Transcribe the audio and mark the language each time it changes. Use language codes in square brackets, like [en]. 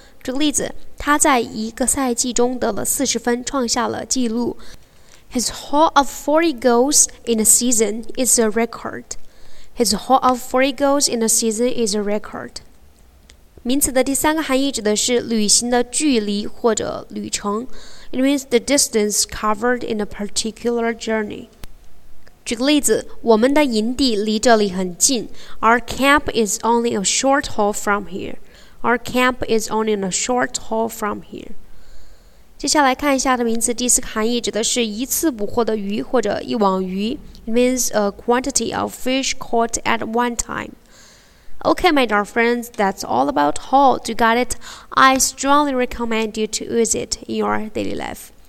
[zh] 举个例子，他在一个赛季中得了40分，创下了纪录。 [en] His haul of 40 goals in a season is a record. His haul of 40 goals in a season is a record. [zh] 名词的第三个含义指的是旅行的距离或者旅程。 [en] It means the distance covered in a particular journey. [zh] 举个例子，我们的营地离这里很近。 [en] Our camp is only a short haul from here. Our camp is only a short haul from here. [zh] 接下来看一下的名词第四个含义指的是一次捕获的鱼或者一网鱼。 [en] It means a quantity of fish caught at one time. Okay, my dear friends, that's all about haul. You got it? I strongly recommend you to use it in your daily life.